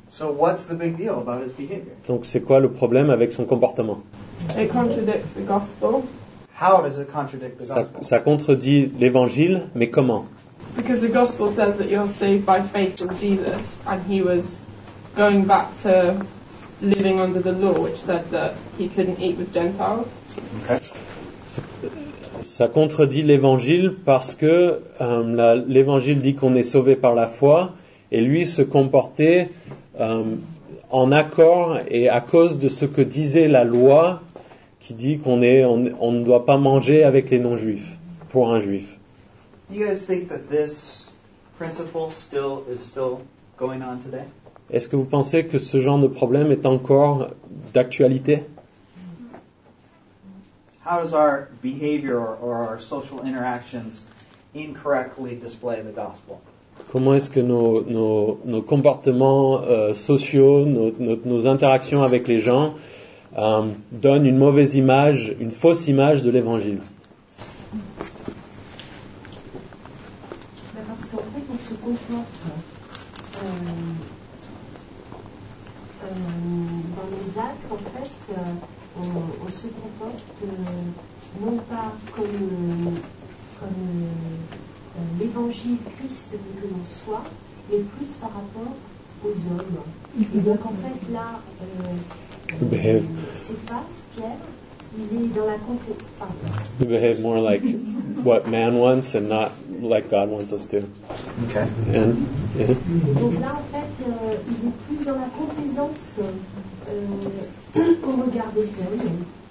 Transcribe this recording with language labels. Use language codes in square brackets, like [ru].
[en] So what's the big deal about his behavior? [fr] Donc c'est quoi le problème avec son comportement? [en] It contradicts the gospel. How does it contradict the gospel? [fr] Ça contredit l'Évangile, mais comment? [en] Because the gospel says that you're saved by faith in Jesus, and he was going back to living under the law, which said that he couldn't eat with Gentiles. Okay. [fr] Ça contredit l'Évangile parce que l'Évangile dit qu'on est sauvé par la foi, et lui se comportait en accord et à cause de ce que disait la loi, qui dit qu'on ne doit pas manger avec les non-juifs pour un juif. [en] Do you guys think that this principle is still going on today? [fr] Est-ce que vous pensez que ce genre de problème est encore d'actualité? [en] How does our behavior or our social interactions incorrectly display the gospel. [fr] Comment est-ce que nos comportements sociaux, nos interactions avec les gens donnent une mauvaise image, une fausse image de l'évangile? Parce qu'en fait, on se comporte dans les actes, en fait, on se comporte non pas comme l'évangile Christ veut que l'on soit, mais plus par rapport aux hommes. Et donc, en fait, là, s'efface, Pierre, il est dans la complète. [en] Behave more like what man wants and not like God wants us to. Okay. And, [fr] Donc là, en fait, il est plus dans la complaisance au regard des hommes.